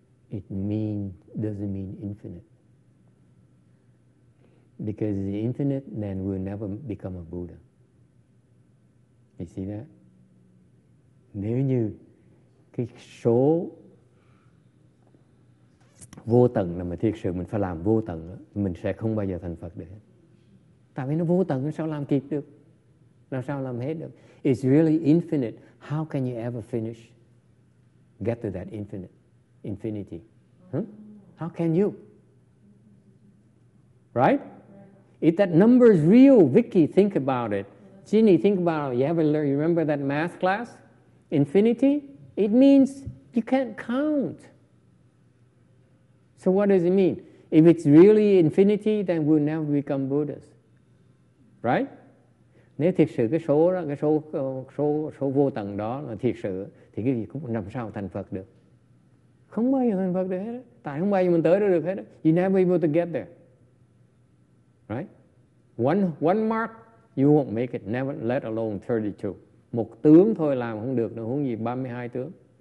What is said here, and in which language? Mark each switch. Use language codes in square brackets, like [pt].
[en] It mean doesn't mean infinite. Because the infinite, then we'll never become a Buddha. You see that? [vi] Nếu như cái số vô tận là mà thiệt sự mình phải làm vô tận, mình sẽ không bao giờ thành Phật được. Tại vì nó vô tận, sao làm kịp được? Làm sao làm hết được? [en] It's really infinite. How can you ever finish? Get to that infinite, infinity. Huh? How can you? Right? If that number is real, Vicky, think about it. Ginny, think about it. You ever learn, you remember that math class? Infinity? It means you can't count. So what does it mean? If it's really infinity, then we'll never become Buddhas. Right? [vi] Nếu thiệt sự cái số đó, cái số, số, số vô tận đó là thiệt sự, thì cái gì cũng làm sao thành Phật được. Không bao giờ thành Phật được hết. Tại không bao giờ mình tới được hết. [en] You're never able to get there. Right? One mark, you won't make it, never let alone 32. [vi] Một tướng thôi làm không được, nữa, huống gì 32 tướng.